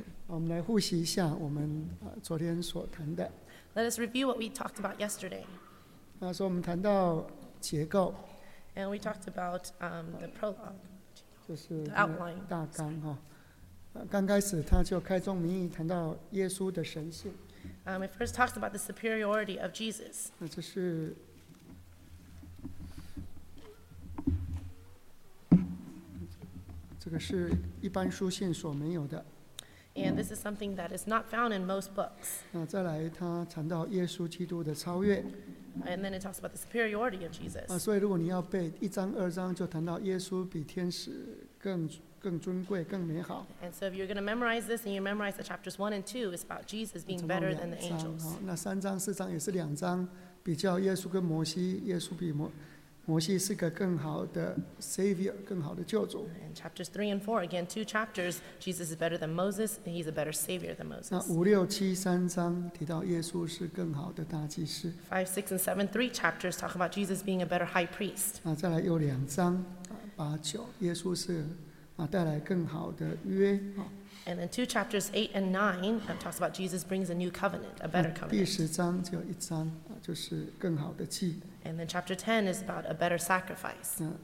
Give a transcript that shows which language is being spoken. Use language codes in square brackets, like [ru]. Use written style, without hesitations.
[zh] 我们来复习一下我们昨天所谈的。 [en] Let us review what we talked about yesterday. [zh] 那时候我们谈到结构。 [en] And we talked about the prologue. [zh] 就是大纲哈。刚开始他就开宗明义谈到耶稣的神性。 [en] We first talked about the superiority of Jesus. [zh] 那就是。这个是一般书信所没有的。 [en] And this is something that is not found in most books. [zh] 那再来，他谈到耶稣基督的超越。 [en] And then it talks about the superiority of Jesus. [zh] 啊，所以如果你要背一章、二章，就谈到耶稣比天使更尊贵、更美好。 [en] And so if you're going to memorize this, and you memorize the chapters 1 and 2, it's about Jesus being better than the angels. [zh] 那三章、四章也是两章，比较耶稣跟摩西，耶稣比摩西是个更好的 Savior， 更好的救主。 [en] And chapters 3 and 4, again, 2 chapters, Jesus is better than Moses, and he's a better Savior than Moses. [zh] 那五六七三章提到耶稣是更好的大祭司。 [en] 5, 6, and 7, 3 chapters talk about Jesus being a better High Priest. [zh] 那再来有两章，8, 9，耶稣是带来更好的约。 [en] And then 2 chapters 8 and 9 talks about Jesus brings a new covenant, a better covenant. [zh] 第十章只有一章，就是更好的祭。 [en] And then chapter 10 is about a better sacrifice.